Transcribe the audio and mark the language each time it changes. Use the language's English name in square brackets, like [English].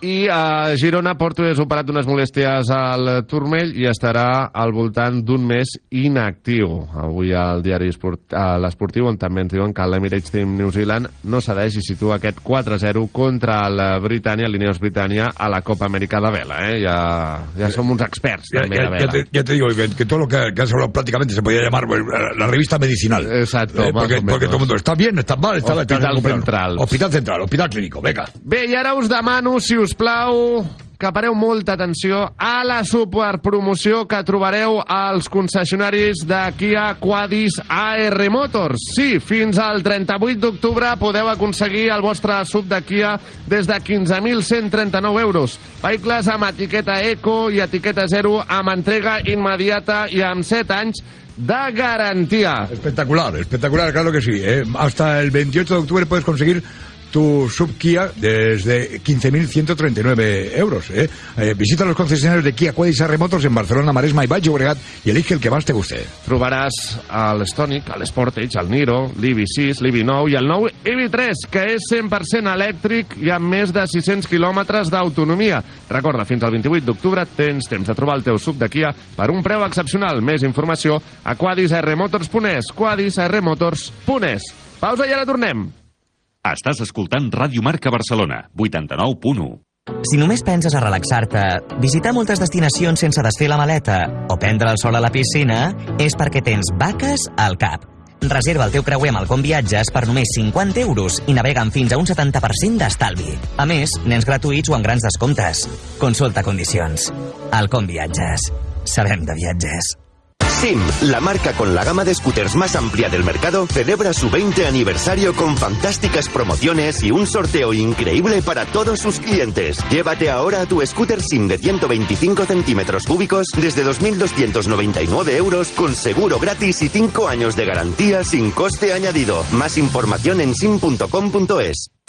[Catalan] I a Girona, Porto és operat d'unes molèsties al turmell i estarà al voltant d'un mes inactiu. Avui al diari l'esportiu, on també ens diuen que l'Emirates Team New Zealand no s'ha i situa aquest 4-0 contra la Britània, l'Ineos Britània, a la Copa Amèrica de Vela. Ja som uns experts, també, de Vela. [Spanish] Ja te digo, que todo lo que has hablado prácticamente se podía llamar la revista medicinal. Exacto. Porque todo el mundo está bien, está mal, está Hospital Central. Hospital Central, Hospital Clínico, venga. [Catalan] Bé, i ara us demano, si us plau, que pareu molta atenció a la superpromoció que trobareu als concessionaris de Kia Quadis AR Motors. Sí, fins al 38 d'octubre podeu aconseguir el vostre SUV de Kia des de 15.139 euros. Vehicles amb etiqueta Eco i etiqueta Zero, amb entrega immediata i amb 7 anys de garantia. [Spanish] Espectacular, espectacular, claro que sí. Hasta el 28 d'octubre puedes conseguir tu SUV Kia desde 15.139 euros. Visita los concesionarios de Kia Quadis AR Motors en Barcelona, Maresma y Baix Llobregat y elige el que más te guste. [Catalan] Trobaràs el Stonic, el Sportage, el Niro, l'EV6, l'EV9 i el nou EV3, que és 100% elèctric i amb més de 600 quilòmetres d'autonomia. Recorda, fins al 28 d'octubre tens temps de trobar el teu SUV de Kia per un preu excepcional. Més informació a quadisarmotors.es, quadisarmotors.es. Pausa i ara tornem. Estàs escoltant Ràdio Marca Barcelona, 89.1. Si només penses a relaxar-te, visitar moltes destinacions sense desfer la maleta o prendre el sol a la piscina, és perquè tens vaques al cap. Reserva el teu creuer amb el Com Viatges per només 50 euros i navega amb fins a un 70% d'estalvi. A més, nens gratuïts o amb grans descomptes. Consulta condicions. El Com Viatges. Sabem de viatges. [Spanish] SIM, la marca con la gama de scooters más amplia del mercado, celebra su 20 aniversario con fantásticas promociones y un sorteo increíble para todos sus clientes. Llévate ahora tu scooter SIM de 125 centímetros cúbicos desde 2.299 euros con seguro gratis y 5 años de garantía sin coste añadido. Más información en sim.com.es.